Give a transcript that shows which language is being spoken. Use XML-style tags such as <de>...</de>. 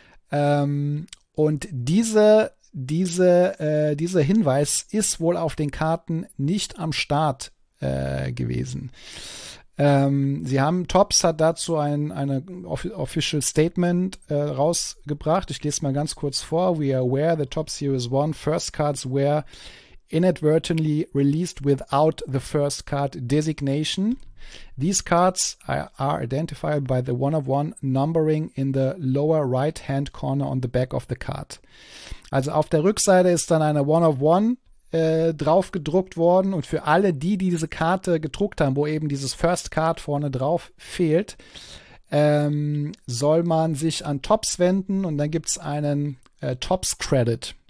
<de>Und dieser Hinweis ist wohl auf den Karten nicht am Start gewesen. Sie haben, Topps hat dazu ein official Statement rausgebracht. Ich lese mal ganz kurz vor.</de> <en>We are aware the Topps Series 1 First Cards were inadvertently released without the First Card designation. These cards are identified by the one-of-one numbering in the lower right-hand corner on the back of the card.</en> <de>Also auf der Rückseite ist dann eine One-of-One drauf gedruckt worden, und für alle die, die diese Karte gedruckt haben, wo eben dieses First Card vorne drauf fehlt, soll man sich an Topps wenden, und dann gibt es einen Topps Credit.</de>